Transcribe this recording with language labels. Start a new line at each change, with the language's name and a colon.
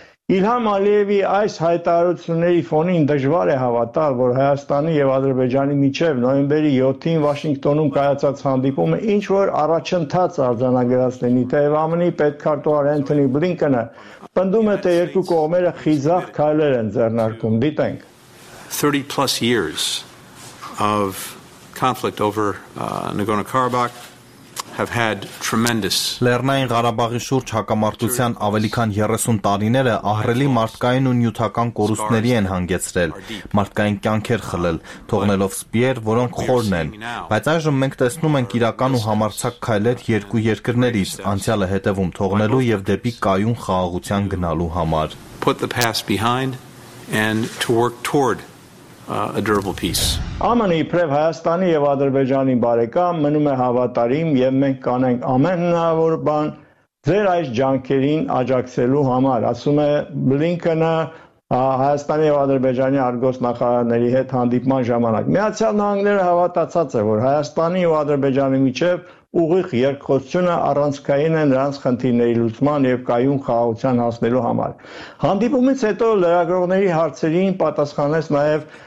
Armenian: Իլհամ Ալիևի այս հայտարարությունների ֆոնին դժվար է հավատալ, որ Հայաստանի և Ադրբեջանի միջև նոյեմբերի 7-ին Վաշինգտոնում կայացած հանդիպումը ինչ-որ առաջընթաց արձանագրած լինի, թեև ԱՄՆ-ի պետքարտուղար Էնթոնի Բլինքենը պնդում է, թե երկու կողմերը խիզախ քայլեր են ձեռնարկում։ Դիտենք։
English: 30+ years of conflict over Nagorno-Karabakh have had tremendous
Armenian: Լեռնային Ղարաբաղի շուրջ հակամարտության ավելի քան 30 տարիները ահռելի մարդկային ու նյութական կորուստների են հանգեցրել, մարդկային կյանքեր խլել, թողնելով սպիեր, որոնք խորն են, բայց այժմ մենք տեսնում ենք իրական ու համարձակ քայլեր երկու երկրներից անցյալը հետևում թողնելու և դեպի կայուն խաղաղության գնալու համար։
English: Put the past behind and to work toward a durable peace.
Armenian: ԱՄՆ-ի իբրև Հայաստանի և Ադրբեջանի բարեկամ մնում է հավատարիմ, և մենք կանենք ամեն հնարավոր բան ձեր այս ջանքերին աջակցելու համար, ասում է Բլինքենը Հայաստանի և Ադրբեջանի արտգործնախարարների հետ հանդիպման ժամանակ։ Միացյալ Նահանգները հավատացած է, որ Հայաստանի ու Ադրբեջանի միջև ուղիղ երկխոսությունը առանցքային է նրանց խնդիրների լուծման և կայուն խաղաղության հասնելու համար։ Հանդիպումից հետո լրագրողների հարցերին պատասխանեց նաև